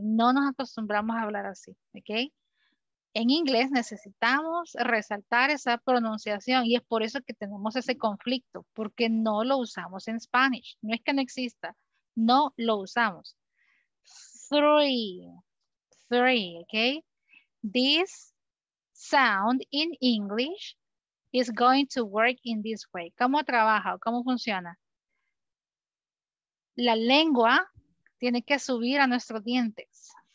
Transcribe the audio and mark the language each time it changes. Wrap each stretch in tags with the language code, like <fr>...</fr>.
<es>No nos acostumbramos a hablar así, ¿ok? En inglés necesitamos resaltar esa pronunciación y es por eso que tenemos ese conflicto, porque no lo usamos en Spanish. No es que no exista, no lo usamos.</es> <en>Three, ¿ok? This sound in English is going to work in this way.</en> <es>¿Cómo trabaja? ¿Cómo funciona? La lengua tiene que subir a nuestros dientes.</es>